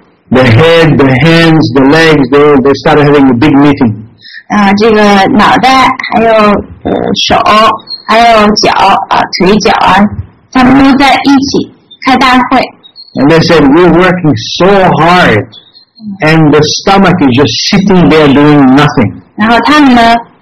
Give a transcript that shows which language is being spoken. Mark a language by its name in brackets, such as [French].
[English] The head, the hands, the legs, they started having a big meeting. [Chinese] 这个脑袋，还有手，还有脚，腿脚，他们都在一起。 [English] And they said, we're working so hard, and the stomach is just sitting there doing nothing.